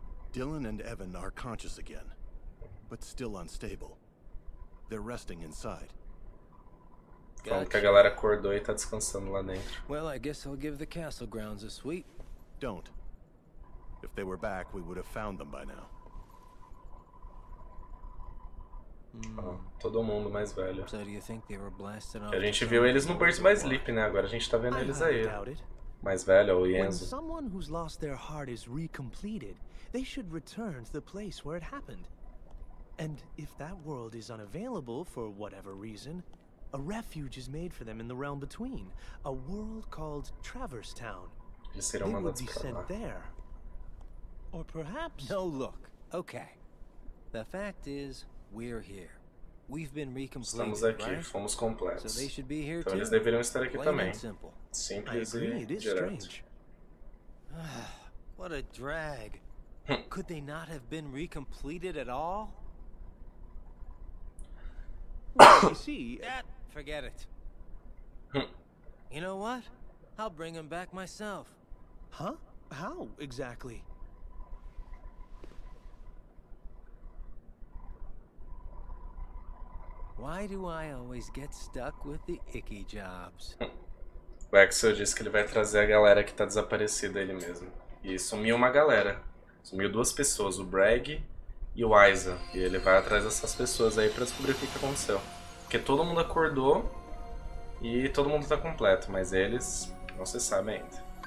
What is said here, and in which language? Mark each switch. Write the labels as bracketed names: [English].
[English] Dylan and Evan are conscious again, but still unstable. They're resting inside. Gotcha. [Portuguese] Falando que a galera acordou e tá descansando lá dentro. [English] Well, I guess I'll give the castle grounds a sweep. Don't. If they were back, we would have found them by now. [Portuguese] Oh, todo mundo mais velho. A gente viu eles no Birds by Sleep, né? Agora a gente tá vendo eles aí. mais velho, o Enzo. [English] When someone who's lost their heart is recompleted, they should return to the place where it happened. And if that world is unavailable for whatever reason, a refuge is made for them in the realm between, a world called Traverse Town. They would be sent there. Or perhaps... No, look. Okay. The fact is, we're here. We've been recompleted, [Portuguese] aqui, [English] right? [Portuguese] Fomos completos. [English] So they should be here [Portuguese] então [English] too. [Portuguese] Eles deveriam estar aqui Plain também. Simples e direto. [English] I agree, it is strange. What a drag. Could they not have been recompleted at all? You see, that, forget it. You know what? I'll bring him back myself. Huh? How exactly? Why do I always get stuck with the icky jobs? [Portuguese] O Axel disse que ele vai trazer a galera que tá desaparecida, ele mesmo. E sumiu uma galera. Sumiu duas pessoas, o Bragg e o Isa. E ele vai atrás dessas pessoas aí pra descobrir o que aconteceu. Porque todo mundo acordou e todo mundo tá completo, mas eles não se sabem ainda.